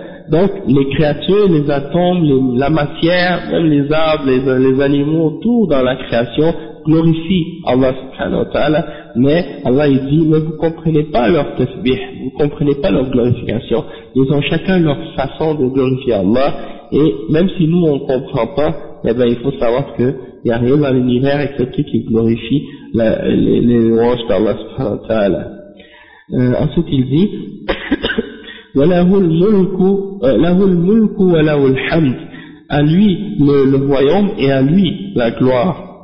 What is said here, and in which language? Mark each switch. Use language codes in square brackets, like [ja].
[fr] Donc les créatures, les atomes, la matière, même les arbres, les animaux, tout dans la création glorifie Allah subhanahu wa ta'ala, mais Allah il dit, mais vous comprenez pas leur tasbih, vous comprenez pas leur glorification. Ils ont chacun leur façon de glorifier Allah, et même si nous on comprend pas, eh ben il faut savoir que il n'y a rien dans l'univers excepté qui glorifie les louanges d'Allah subhanahu wa ta'ala. Ensuite il dit [ar] وَلَهُ الْمُلْكُ وَلَهُ الْحَمْدُ. [fr] À lui le royaume et à lui la gloire.